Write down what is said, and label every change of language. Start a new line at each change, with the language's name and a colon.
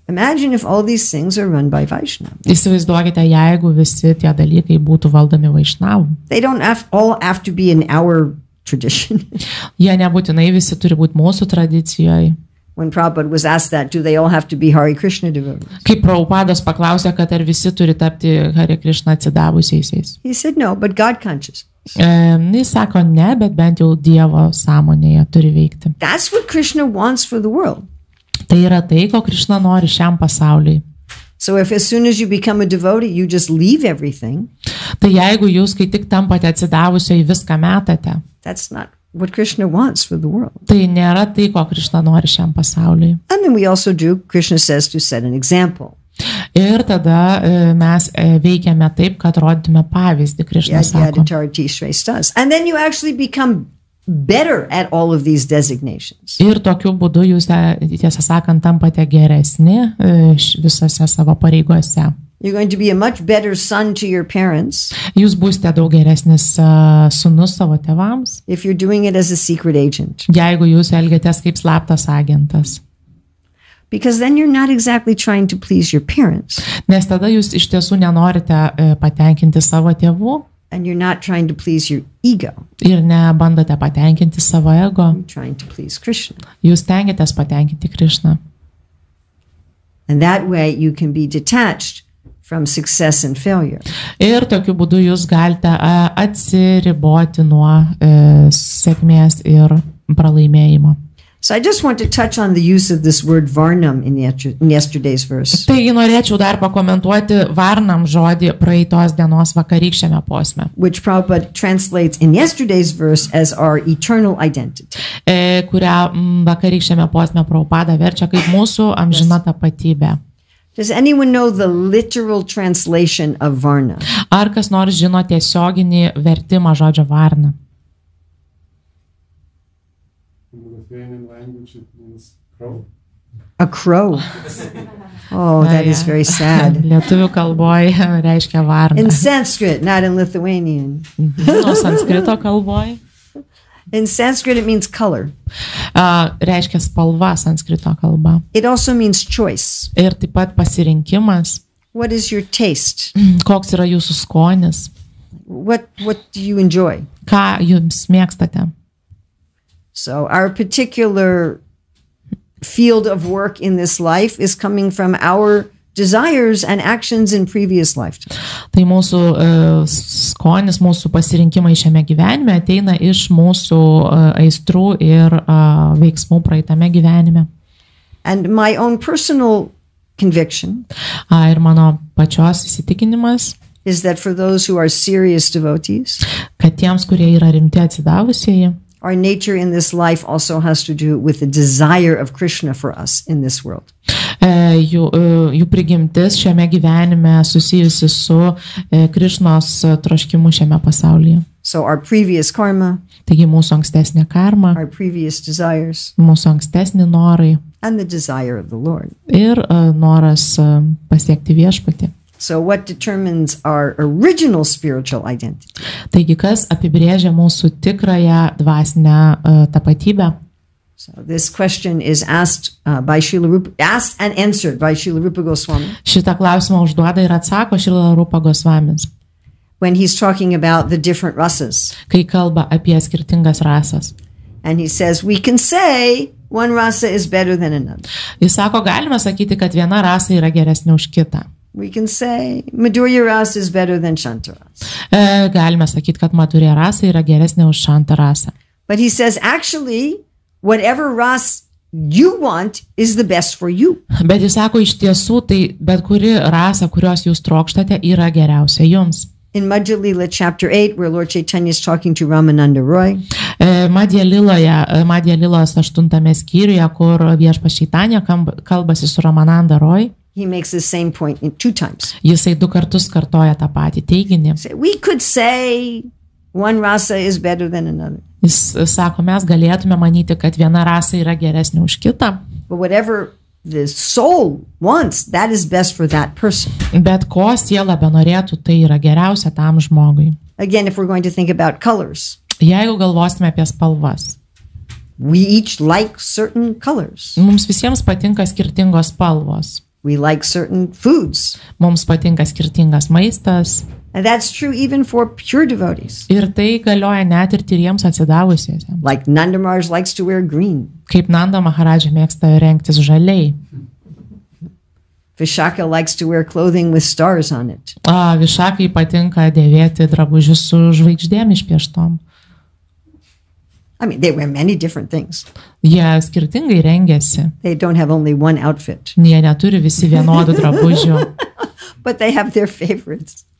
English: Imagine if all these things are run by Vaishnavas.
Lithuanian: Įsivaizduokite, jeigu visi tie dalykai būtų valdomi Vaishnavų.
English: They don't all have to be in our tradition.
Lithuanian: Jie nebūtinai visi turi būti mūsų tradicijoje.
English: When Prabhupada was asked that, do they all have to be Hare Krishna devotees?
Lithuanian: Kai Prabhupadas paklausė, kad ar visi turi tapti Hare Krishna atsidavusiaisiais.
English: He said no, but God conscious.
Lithuanian: Jis sako ne, bet bent jau Dievo sąmonėje turi veikti.
English: That's what Krishna wants for the world.
Lithuanian: Tai yra tai, ko Krishna nori šiam pasauliui.
English: So if as soon as you become a devotee, you just leave everything.
Lithuanian: Tai jeigu jūs, kai tik tampate atsidavusiai, viską metate.
English: That's not what Krishna wants for the world.
Lithuanian: Tai nėra tai, ko Krishna nori šiam pasauliui.
English: And then we also do, Krishna says, to set an example.
Lithuanian: Ir tada mes veikiame taip, kad rodytume pavyzdį, Krishna sako.
English: And then you actually become better at all of these designations.
Lithuanian: Ir tokiu būdu jūs, tiesą sakant, tampate geresni visose savo pareigose.
English: You're going to be a much better son to your parents.
Lithuanian: Jūs būsite daug geresnis sūnus savo tėvams.
English: If you're doing it as a secret agent.
Lithuanian: Jeigu jūs elgiatės kaip slaptas agentas.
English: Because then you're not exactly trying to please your parents.
Lithuanian: Nes tada jūs iš tiesų nenorite patenkinti savo tėvų.
English: And you're not trying to please your ego.
Lithuanian: Ir nebandote patenkinti savo ego.
English: You're trying to please Krishna.
Lithuanian: Jūs stengiatės patenkinti Krishna.
English: And that way you can be detached from success and failure.
Lithuanian: Ir tokiu būdu jūs galite atsiriboti nuo sėkmės ir pralaimėjimo.
English: So I just want to touch on the use of this word varnam in yesterday's verse.
Lithuanian: Taigi norėčiau dar pakomentuoti varnam žodį praeitos dienos vakarykščiame posme.
English: Which Prabhupada translates in yesterday's verse as our eternal identity.
Lithuanian: Kurią vakarykščiame posme Prabhupada verčia kaip mūsų amžina tapatybė.
English: Does anyone know the literal translation of varna?
Lithuanian: Ar kas nors žino tiesioginį vertimą žodžio varna?
English: In the Lithuanian language it means crow. A crow. Oh, that is very sad.
Lithuanian: Lietuvių kalboj reiškia varna.
English: In Sanskrit, not in Lithuanian.
Lithuanian: No, sanskrito kalboj.
English: In Sanskrit it means color.
Lithuanian: Reiškia spalva sanskrito kalba.
English: It also means choice.
Lithuanian: Ir taip pat pasirinkimas.
English: What is your taste?
Lithuanian: Koks yra jūsų skonis?
English: What do you enjoy?
Lithuanian: Ką jums mėgstate?
English: So our particular field of work in this life is coming from our desires and actions in previous life.
Lithuanian: Tai mūsų skonis, mūsų pasirinkimai šiame gyvenime ateina iš mūsų aistrų ir veiksmų praeitame gyvenime.
English: And my own personal conviction.
Lithuanian: Ir mano pačios įsitikinimas.
English: Is that for those who are serious devotees?
Lithuanian: Kad tiems, kurie yra rimti atsidavusieji.
English: Our nature in this life also has to do with the desire of Krishna for us in this world.
Lithuanian: Jų prigimtis šiame gyvenime susijusi su Krishnos troškimu šiame pasaulyje.
English: So our previous karma,
Lithuanian: taigi mūsų ankstesnė karma,
English: our previous desires,
Lithuanian: mūsų ankstesni norai,
English: and the desire of the Lord,
Lithuanian: ir noras pasiekti viešpatį.
English: So what determines our original spiritual identity?
Lithuanian: Taigi kas apibrėžia mūsų tikrąją dvasinę tapatybę?
English: So this question is asked by Srila Rupa, asked and answered by Srila Rupa Goswami.
Lithuanian: Šitą klausimą užduoda ir atsako Srila Rupa Goswamis.
English: When he's talking about the different rasas.
Lithuanian: Kai kalba apie skirtingas rasas.
English: And he says we can say one rasa is better than another.
Lithuanian: Jis sako galima sakyti, kad viena rasa yra geresnė už kitą.
English: We can say Madhurya rasa is better than Shanta rasa.
Lithuanian: Galima sakyti, kad Madhurya rasa yra geresnė už Shanta rasa.
English: But he says actually whatever rasa you want is the best for you.
Lithuanian: Bet jis sako iš tiesų, tai bet kuri rasa, kurios jūs trokštate, yra geriausia jums.
English: In Madhyalila chapter 8 where Lord Chaitanya is talking to Ramananda Roy.
Lithuanian: Madhyalilos 8-ame skyriuje, kur Viešpats Čaitanja kalbasi su Ramananda Roy.
English: He makes the same point in two times.
Lithuanian: Jisai du kartus kartoja tą patį teiginį.
English: We could say one rasa is better than another.
Lithuanian: Jis sako, mes galėtume manyti, kad viena rasa yra geresnė už kitą.
English: But whatever the soul wants, that is best for that person.
Lithuanian: Bet ko siela benorėtų, tai yra geriausia tam žmogui.
English: Again, if we're going to think about colors.
Lithuanian: Jeigu galvosime apie spalvas.
English: We each like certain colors.
Lithuanian: Mums visiems patinka skirtingos spalvos.
English: We like certain foods.
Lithuanian: Mums patinka skirtingas maistas.
English: And that's true even for pure devotees.
Lithuanian: Ir tai galioja net ir tyriems atsidavusiesiems.
English: Like Nanda Maharaj likes to wear green.
Lithuanian: Kaip Nanda Maharaj mėgsta rengtis žaliai.
English: Vishakha likes to wear clothing with stars on it.
Lithuanian: Vishakhai patinka dėvėti drabužius su žvaigždėm išpieštom.
English: I mean, they wear many different things.
Lithuanian: Jie skirtingai rengiasi.
English: They don't have only one outfit.
Lithuanian: Jie neturi visi vienodų drabužių.
English: But they have their favorites.